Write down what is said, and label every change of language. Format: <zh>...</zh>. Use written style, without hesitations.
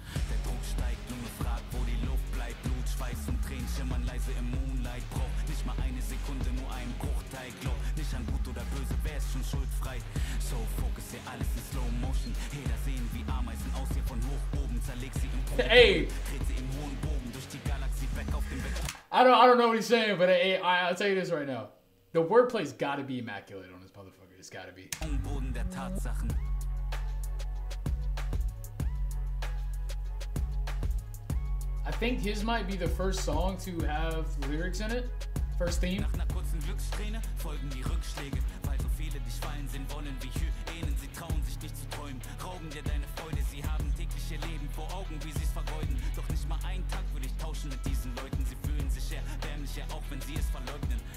<de>Der Druck steigt, nur fragt, wo die Luft bleibt. Blut, Schweiß und Tränen schimmern leise im Moonlight. Braucht nicht mal eine Sekunde, nur ein Bruchteil. Glaub nicht an gut oder böse, wer ist schon schuldfrei? So, focus hier alles in slow motion. Heder sehen wie Ameisen aus hier von hoch oben. Zerleg sie im Boden. Hey. Dreht sie im hohen Bogen durch die Galaxie weg auf den Weg.</de> <en>I don't know what he's saying, but hey, I'll tell you this right now. The wordplay's gotta be immaculate on this motherfucker. It's gotta be.</en> <de>Am Boden der Tatsachen.</de> <en>I think his might be the first song to have lyrics in it. First theme.</en> <de>Nach einer kurzen Glücksträne folgen die Rückschläge, weil so viele dich fallen sehen wollen wie Hyänen. Sie trauen sich nicht zu träumen, rauben dir deine Freude. Sie haben tägliche Leben vor Augen, wie sie es vergeuden. Doch nicht mal einen Tag würde ich tauschen mit diesen Leuten. Sie fühlen sich eher dämlicher, auch wenn sie es verleugnen.</de>